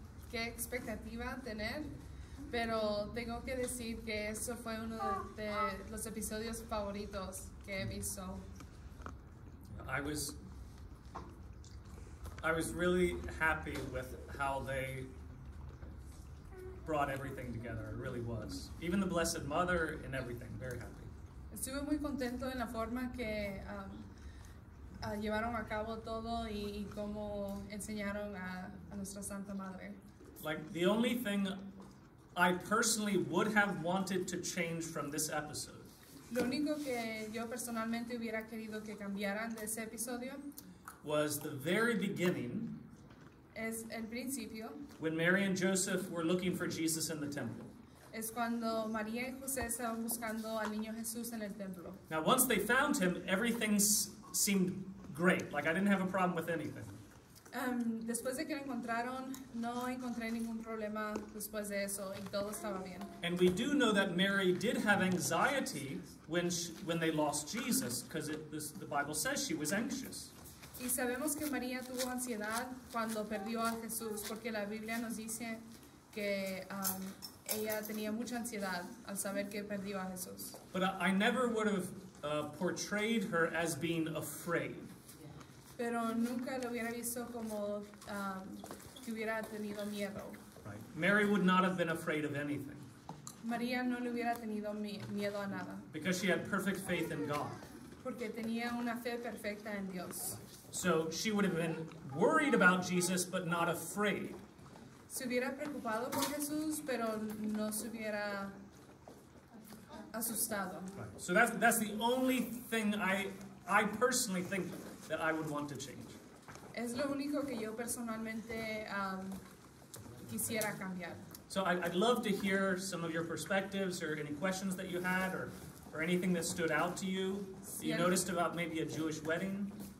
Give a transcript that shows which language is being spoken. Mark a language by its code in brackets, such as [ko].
[es] qué expectativa tener, pero tengo que decir que eso fue uno de los episodios favoritos que he visto. [en] I was really happy with how they brought everything together. I really was. Even the Blessed Mother and everything. Very happy. [es] Estuve muy contento en la forma que llevaron a cabo todo y cómo enseñaron a nuestra Santa Madre. [en] Like, the only thing I personally would have wanted to change from this episode. [es] Lo único que yo personalmente hubiera querido que cambiaran de ese episodio [en] was the very beginning. [es] Es el principio. [en] When Mary and Joseph were looking for Jesus in the temple. [es] Es cuando María y José estaban buscando al niño Jesús en el templo. [en] Now, once they found him, everything seemed great. Like, I didn't have a problem with anything. [es] Después de que lo encontraron, no encontré ningún problema después de eso, y todo estaba bien. [en] And we do know that Mary did have anxiety when they lost Jesus, because the Bible says she was anxious. [es] Y sabemos que María tuvo ansiedad cuando perdió a Jesús, porque la Biblia nos dice que ella tenía mucha ansiedad al saber que perdió a Jesús. [en] But I never would have portrayed her as being afraid. [es] Pero nunca lo hubiera visto como que hubiera tenido miedo. [en] Right. Mary would not have been afraid of anything. [es] María no le hubiera tenido miedo a nada. [en] Because she had perfect faith in God. [es] Porque tenía una fe perfecta en Dios. [en] So she would have been worried about Jesus, but not afraid. [es] Se hubiera preocupado por Jesús, pero no se hubiera asustado. [en] Right. So that's the only thing I personally think that I would want to change. [es] Es lo único que yo personalmente quisiera cambiar. [en] So I'd love to hear some of your perspectives or any questions that you had or anything that stood out to you that you noticed about maybe a Jewish wedding.